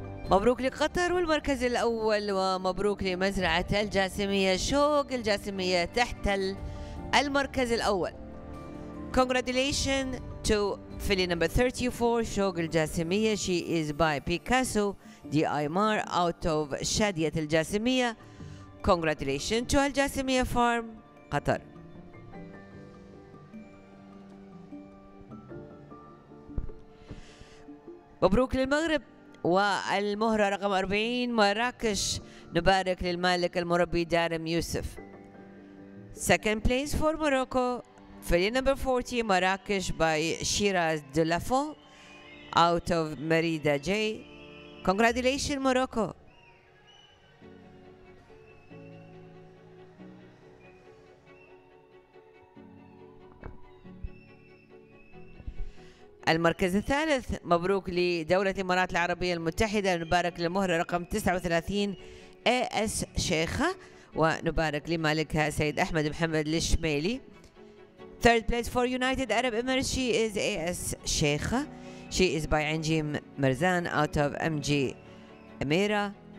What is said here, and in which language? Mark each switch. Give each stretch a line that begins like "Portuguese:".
Arabic: مبروك لقطر والمركز الأول، ومبروك لمزرعة الجاسمية. شوق الجاسمية تحتل المركز الأول.
English: Congratulations to filly number 34 شوق الجاسمية. She is by Picasso D.I.M.R. out of شادية الجاسمية. Congratulations to الجاسمية فارم قطر. مبروك للمغرب والمهرة رقم 40 مراكش. نبارك للمالك المربي دارم يوسف. Second place for Morocco filly number 40 مراكش by Shiraz Dulafo out of Merida J. Congratulations Morocco.
Arabic: المركز الثالث مبروك لدولة الإمارات العربية المتحدة. نبارك للمهرة رقم 39 AS شيخة، ونبارك لمالكها سيد أحمد محمد الشميلي.
English: Third place for United Arab Emirates she is AS شيخة. She is by Anjim Mirzan out of MG Amira.